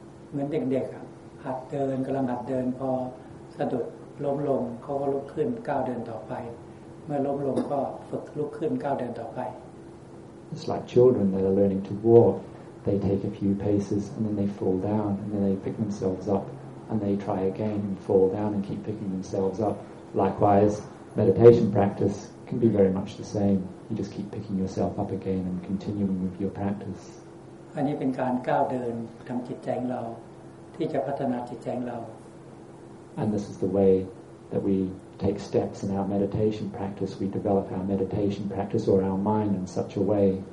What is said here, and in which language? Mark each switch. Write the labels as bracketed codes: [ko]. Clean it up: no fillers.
[th] เหมือนเด็กๆหัดเดินกำลังหัดเดินพอสะดุดล้มลงเขาก็ลุกขึ้นก้าวเดินต่อไปเมื่อล้มลงก็ฝึกลุกขึ้นก้าวเดินต่อไป [en] It's like children that are learning to walkThey take a few paces and then they fall down and then they pick themselves up and they try again and fall down and keep picking themselves up. Likewise, meditation practice can be very much the same. You just keep picking yourself up again and continuing with your practice. [th] อันนี้เป็นการก้าวเดินทำจิตใจของเราที่จะพัฒนาจิตใจของเรา [en] And this is the way that we take steps in our meditation practice. We develop our meditation practice or our mind in such a way.